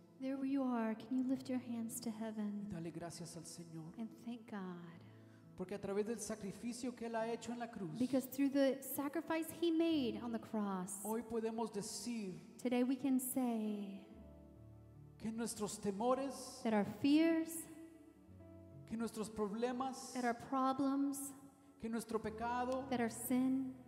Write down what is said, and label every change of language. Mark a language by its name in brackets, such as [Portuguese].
[English] There where you are, can you lift your hands to heaven? [Spanish] Dale gracias al Señor. [English] And thank God. [Spanish] Porque a través del sacrificio que Él ha hecho en la cruz. [English] Because through the sacrifice He made on the cross. [Spanish] Hoy podemos decir. [English] Today we can say. [Spanish] Que nuestros temores. [English] That our fears. [Spanish] Que nuestros problemas. [English] That our problems. [Spanish] Que nuestro pecado. [English] That our sin.